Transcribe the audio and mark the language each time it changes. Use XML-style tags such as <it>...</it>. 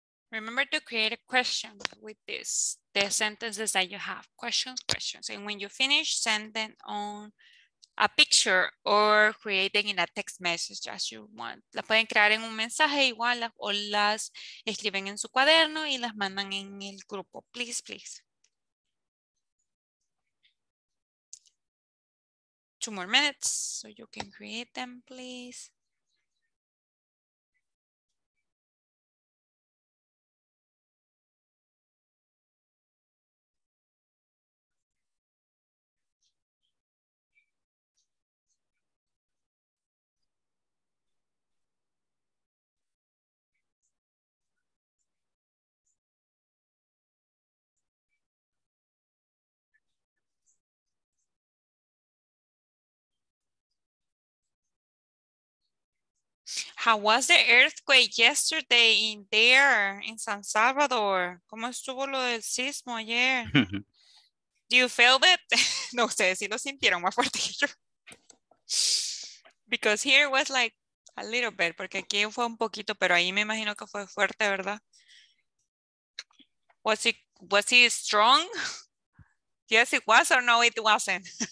<en>Remember to create a question with this, the sentences that you have, questions, questions. And when you finish, send them on a picture or create them in a text message as you want.</en> <es>La pueden crear en un mensaje igual o las escriben en su cuaderno y las mandan en el grupo.</es> <en>Please, please. 2 more minutes so you can create them, please. How was the earthquake yesterday in there, in San Salvador?</en> <es>¿Cómo estuvo lo del sismo ayer?</es> <en>Do you feel it?</en> <es>No, ustedes sí lo sintieron más fuerte que yo.</es> <en>Because here was like a little bit,</en> <es>porque aquí fue un poquito, pero ahí me imagino que fue fuerte, ¿verdad?</es> <en>Was he strong? Yes, it was, or no, it wasn't.</en>